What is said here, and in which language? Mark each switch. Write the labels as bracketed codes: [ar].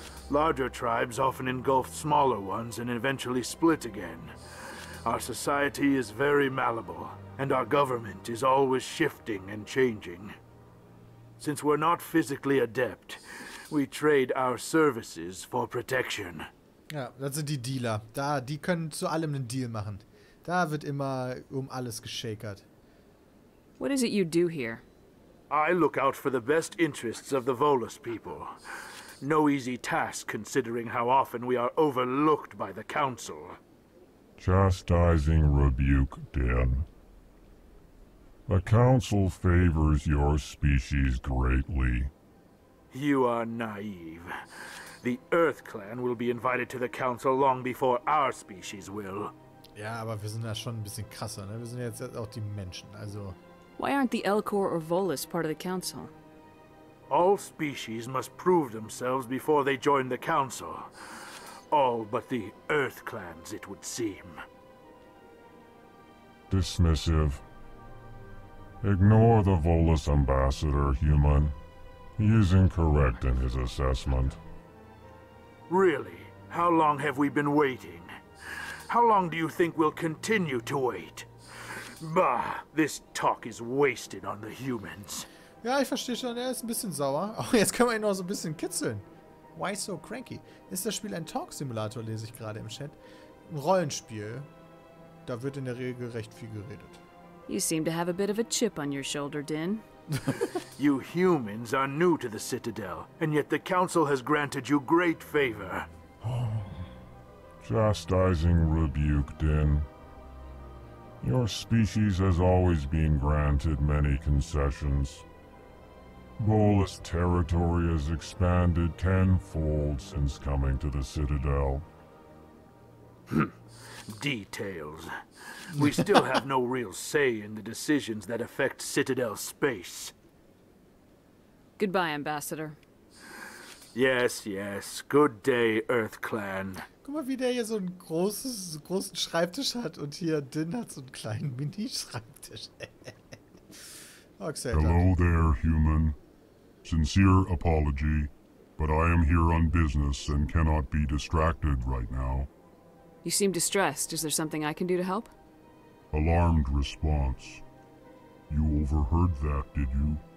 [en] Larger tribes often engulf smaller ones and eventually split again. Our society is very malleable, and our government is always shifting and changing. Since we're not physically adept, we trade our services for protection. [de] Ja, das sind die Dealer. Da, die können zu allem einen Deal machen. Da wird immer um alles geschakert. [en] What is it you do here? I look out for the best interests of the Volus people. No easy task considering how often we are overlooked by the Council. Chastising rebuke, Din. The Council favors your species greatly. You are naive. The Earth Clan will be invited to the Council long before our species will. [de] Ja, aber wir sind ja schon ein bisschen krasser, ne? Wir sind jetzt auch die Menschen, also. [en] Why aren't the Elcor or Volus part of the Council? All species must prove themselves before they join the Council. All but the Earth Clans, it would seem. Dismissive. Ignore the Volus ambassador, human. He is incorrect in his assessment. Really? How long have we been waiting? How long do you think we'll continue to wait? Bah, this talk is wasted on the humans. [de] Ja, ich verstehe schon, er ist ein bisschen sauer. Oh, jetzt können wir ihn noch so ein bisschen kitzeln. [en] Why so cranky? [de] Ist das Spiel ein Talk-Simulator, lese ich gerade im Chat. Ein Rollenspiel. Da wird in der Regel recht viel geredet. [en] You seem to have a bit of a chip on your shoulder, Din. You humans are new to the Citadel, and yet the Council has granted you great favor. Chastising rebuke, Din. Your species has always been granted many concessions. Volus territory has expanded tenfold since coming to the Citadel. Details. We still have no real say in the decisions that affect Citadel space. Goodbye, Ambassador. Yes, yes. Good day, Earth Clan. [de] Guck mal, wie der hier so einen großen Schreibtisch hat und hier Din hat so einen kleinen Mini-Schreibtisch. [en] Hello there, human. Sincere apology, but I am here on business and cannot be distracted right now. You seem distressed. Is there something I can do to help? Alarmed response. You overheard that, did you?